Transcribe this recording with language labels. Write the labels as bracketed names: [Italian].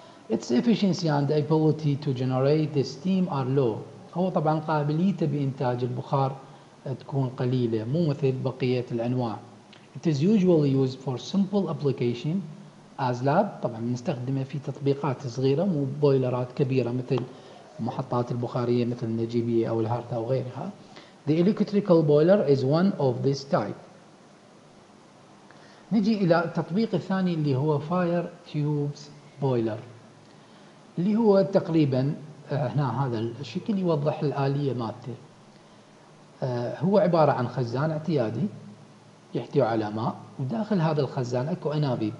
[English] Its efficiency and ability to generate the steam are low، [Arabic] هو طبعا قابليته بإنتاج البخار تكون قليلة مو مثل بقية الأنواع. [English] It is usually used for simple application as lab، [Arabic] طبعا نستخدمه في تطبيقات صغيرة مو بويلرات كبيرة مثل محطات البخارية مثل النجيبية أو الهارت أو غيرها. [English] The electrical boiler is one of this type. [Arabic] نجي إلى التطبيق الثاني اللي هو fire tubes boiler، اللي هو تقريبا هنا هذا الشكل يوضح الآلية مالته. هو عبارة عن خزان اعتيادي يحتوي على ماء، وداخل هذا الخزان اكو انابيب.